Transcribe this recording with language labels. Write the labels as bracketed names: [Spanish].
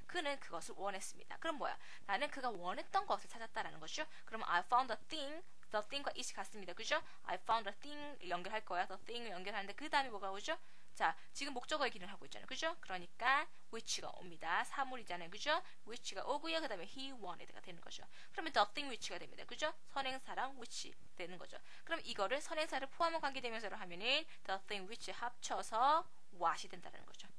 [Korean] 그는 그것을 원했습니다. 그럼 뭐야? 나는 그가 원했던 것을 찾았다라는 거죠. 그럼 [English] I found a thing. The thing과 is [Korean] 같습니다. 그죠? [English] I found a thing [Korean] 연결할 거야. The thing을 연결하는데 그 다음에 뭐가 오죠? 자, 지금 목적어의 기능을 하고 있잖아요. 그죠? 그러니까 which가 옵니다. 사물이잖아요. 그죠? which가 오고요. 그 다음에 he wanted가 되는 거죠. 그러면 the thing which가 됩니다. 그죠? 선행사랑 which 되는 거죠. 그럼 이거를 선행사를 포함한 관계대명사로 하면은 the thing which 합쳐서 what이 된다는 거죠.